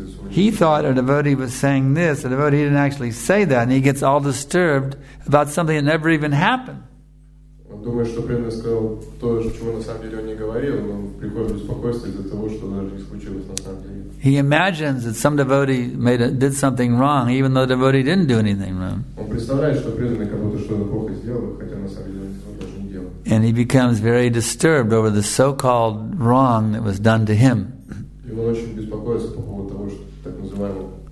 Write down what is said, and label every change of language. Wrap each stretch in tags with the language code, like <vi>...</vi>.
<en>He thought a devotee was saying this, a devotee didn't actually say that, and he gets all disturbed about something that never even happened.</en> <ru>Он думает, что преданный сказал то, чего на самом деле он не говорил, но приходит беспокойство из-за того, что даже не случилось на самом деле.</ru> <en>He imagines that some devotee did something wrong, even though the devotee didn't do anything wrong.</en> <ru>Он представляет, что преданный как будто что-то плохо сделал, хотя на самом деле он ничего даже не делал.</ru> <en>And he becomes very disturbed over the so-called wrong that was done to him.</en> <ru>И он очень беспокоится по поводу того, что так называемого.</ru>